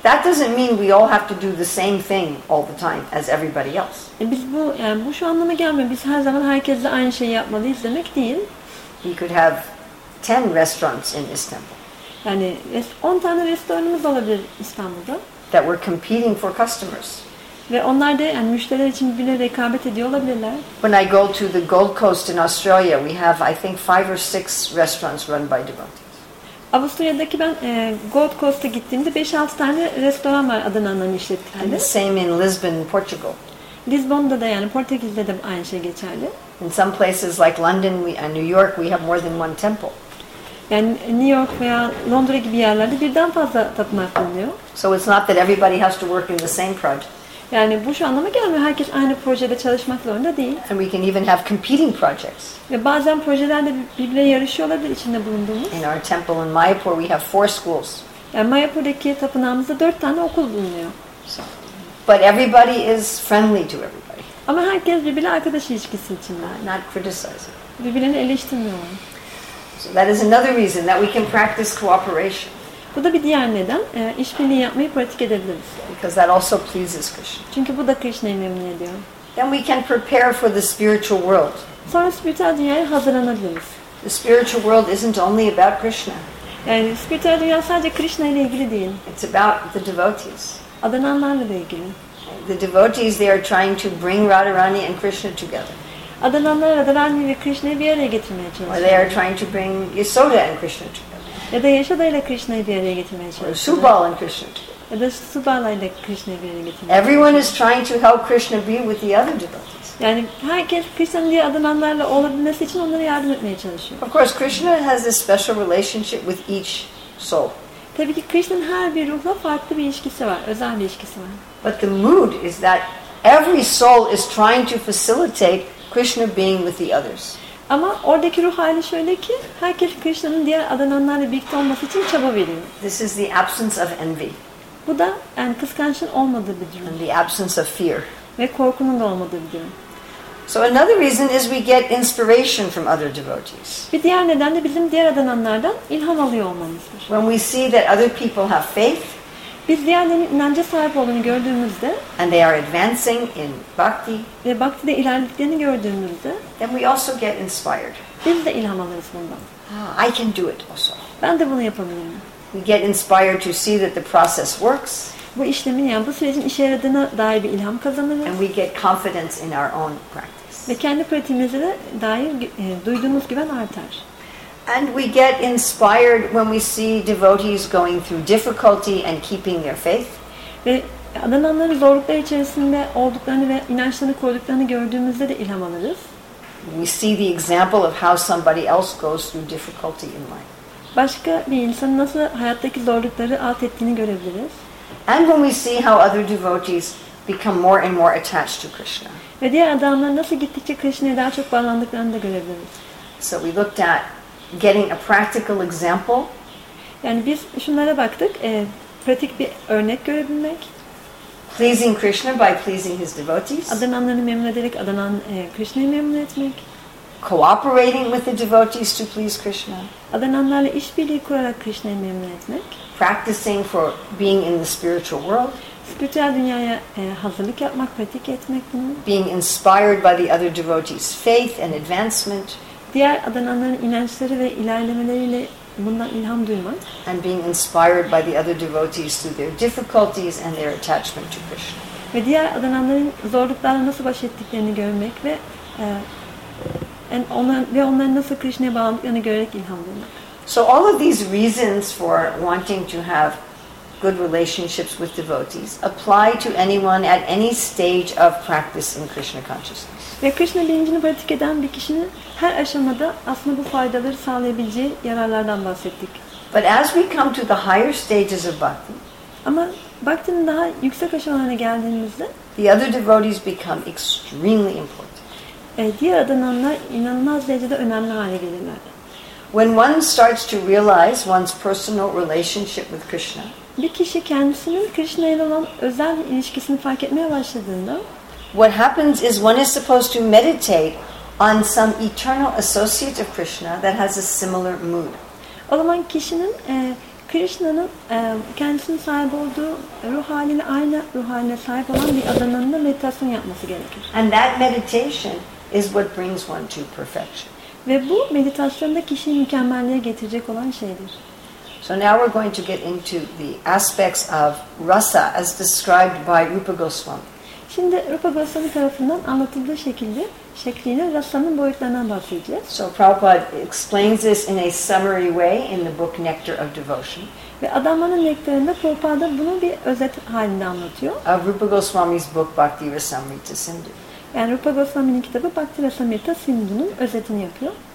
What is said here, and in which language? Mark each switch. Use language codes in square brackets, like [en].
[en] That doesn't mean we all have to do the same thing all the time as everybody else. [tr] Biz bu yani bu şu anlama gelmiyor. Biz her zaman herkesle aynı şeyi yapmalıyız demek değil. [en] We could have 10 restaurants in Istanbul. [tr] Yani 10 tane restoranımız olabilir İstanbul'da. [en] That were competing for customers. [tr] Ve onlar da yani müşteriler için birbirine rekabet ediyor olabilirler. [en] When I go to the Gold Coast in Australia, we have I think 5 or 6 restaurants run by devotees. [tr] Avustralya'daki ben Gold Coast'a gittiğimde 5-6 tane restoran var Adananların işlettikleri. [en] And the same in Lisbon, Portugal. [tr] Lisbon'da da yani Portekiz'de de aynı şey geçerli. [en] In some places like London and New York, we have more than one temple. [tr] Yani New York veya Londra gibi yerlerde birden fazla tapınak bulunuyor. [en] So it's not that everybody has to work in the same project. [tr] Yani bu şu anlama gelmiyor. Herkes aynı projede çalışmak zorunda değil. [en] And we can even have competing projects. [tr] Ve bazen projelerde birbirine yarışıyor olabilir içinde bulunduğumuz. [en] In our temple in Mayapur, we have 4 schools. [tr] Yani Mayapur'daki tapınağımızda 4 tane okul bulunuyor. So, [en] but everybody is friendly to everybody. [tr] Ama herkes birbirine arkadaş ilişkisi içinde. [en] Not criticizing. [tr] Birbirini eleştirmiyorlar. [en] So that is another reason that we can practice cooperation. [tr] Bu da bir diğer neden. İşbirliği yapmayı pratik edebiliriz. [en] Because that also pleases Krishna. [tr] Çünkü bu da Krishna'yı memnun ediyor. [en] Then we can prepare for the spiritual world. [tr] Sonra spiritüel dünyaya hazırlanabiliriz. [en] The spiritual world isn't only about Krishna. [tr] Yani spiritüel dünya sadece Krishna ile ilgili değil. [en] It's about the devotees. [tr] Adananlarla da ilgili. [en] The devotees, they are trying to bring Radharani and Krishna together. [tr] Adananlar Radharani ve Krishna'yı bir araya getirmeye çalışıyor. [en] Or they are trying to bring Yasoda and Krishna together. [tr] Ya da Yasoda ile Krishna'yı bir araya getirmeye çalışıyor. [en] Or Subal and Krishna together. Everyone is trying to help Krishna be with the other devotees. [tr] Yani herkes Krishna'nın diye adananlarla olabilmesi için onlara yardım etmeye çalışıyor. [en] Of course, Krishna has a special relationship with each soul. [tr] Tabii ki Krishna'nın her bir ruhla farklı bir ilişkisi var, özel bir ilişkisi var. [en] But the mood is that every soul is trying to facilitate Krishna being with the others. [tr] Ama oradaki ruh hali şöyle ki, herkes Krishna'nın diğer adananlarla birlikte olması için çaba veriyor. [en] This is the absence of envy. [tr] Bu da yani kıskançlığın olmadığı bir durum. [en] And the absence of fear. [tr] Ve korkunun da olmadığı bir durum. [en] So another reason is we get inspiration from other devotees. [tr] Bir diğer neden de bizim diğer adananlardan ilham alıyor olmamızdır. [en] When we see that other people have faith, [tr] biz diğerlerinin inanca sahip olduğunu gördüğümüzde, [en] and they are advancing in bhakti, [tr] ve bhakti'de ilerlediklerini gördüğümüzde, [en] then we also get inspired. [tr] Biz de ilham alırız bundan. [en] Ah, I can do it also. [tr] Ben de bunu yapabilirim. [en] We get inspired to see that the process works. [tr] Bu işlemin yani bu sürecin işe yaradığına dair bir ilham kazanırız. [en] And we get confidence in our own practice. [tr] Ve kendi pratiğimize de dair duyduğumuz güven artar. [en] And we get inspired when we see devotees going through difficulty and keeping their faith. [tr] Ve adananları zorluklar içerisinde olduklarını ve inançlarını koruduklarını gördüğümüzde de ilham alırız. [en] We see the example of how somebody else goes through difficulty in life. [tr] Başka bir insanın nasıl hayattaki zorlukları alt ettiğini görebiliriz. [en] And when we see how other devotees become more and more attached to Krishna. [tr] Ve diğer adamlar nasıl gittikçe Krishna'ya daha çok bağlandıklarını da görebiliriz. [en] So we looked at getting a practical example. [tr] Yani biz şunlara baktık. Pratik bir örnek görebilmek. [en] Pleasing Krishna by pleasing his devotees. [tr] Adananları memnun ederek adanan Krishna'yı memnun etmek. [en] Cooperating with the devotees to please Krishna. [tr] Adananlarla işbirliği kurarak Krishna'yı memnun etmek. [en] Practicing for being in the spiritual world. [tr] Spiritüel dünyaya hazırlık yapmak, pratik etmek bunu. [en] Being inspired by the other devotees' faith and advancement. [tr] Diğer adananların inançları ve ilerlemeleriyle bundan ilham duymak. [en] And being inspired by the other devotees through their difficulties and their attachment to Krishna. [tr] Ve diğer adananların zorluklarla nasıl baş ettiklerini görmek ve onların nasıl Krishna'ya bağlandıklarını görerek ilham duymak. [en] So all of these reasons for wanting to have good relationships with devotees apply to anyone at any stage of practice in Krishna consciousness. [tr] Ve Krishna bilincini pratik eden bir kişinin her aşamada aslında bu faydaları sağlayabileceği yararlardan bahsettik. [en] But as we come to the higher stages of bhakti, [tr] ama bhakti'nin daha yüksek aşamalarına geldiğimizde, [en] the other devotees become extremely important. [tr] Diğer adananlar inanılmaz derecede önemli hale gelirler. [en] When one starts to realize one's personal relationship with Krishna, [tr] bir kişi kendisinin Krishna ile olan özel ilişkisini fark etmeye başladığında, [en] what happens is one is supposed to meditate on some eternal associate of Krishna that has a similar mood. [tr] O zaman kişinin Krishna'nın kendisinin sahip olduğu ruh haline aynı ruh haline sahip olan bir adamınla meditasyon yapması gerekir. [en] And that meditation is what brings one to perfection. [tr] Ve bu meditasyonda kişiyi mükemmelliğe getirecek olan şeydir. [en] So now we're going to get into the aspects of rasa as described by Rupa Goswami. [tr] Şimdi Rupa Goswami tarafından anlatıldığı şekilde şekline rasanın boyutlarından bahsedeceğiz. [en] So Prabhupada explains this in a summary way in the book Nectar of Devotion. [tr] Ve Adamanın Nektarında Prabhupada bunu bir özet halinde anlatıyor. [en] Of Rupa Goswami's book Bhakti Rasamrita Sindhu. [tr] Yani Rupa Goswami'nin kitabı Bhakti Rasamrita Sindhu'nun özetini yapıyor.